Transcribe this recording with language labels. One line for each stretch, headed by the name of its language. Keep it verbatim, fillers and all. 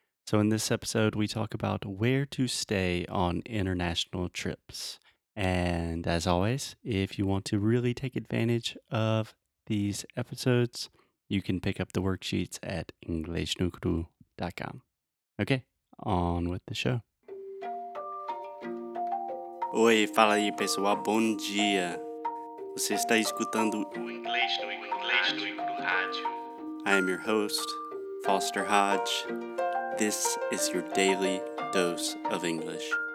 English: So, in this episode, we talk about where to stay on international trips. And as always, if you want to really take advantage of these episodes, you can pick up the worksheets at dot com. Ok, on with the show.
Portuguese: Oi, fala aí pessoal, bom dia. Você está escutando o Inglês no Rádio.
English: I am your host, Foster Hodge. This is your daily dose of English.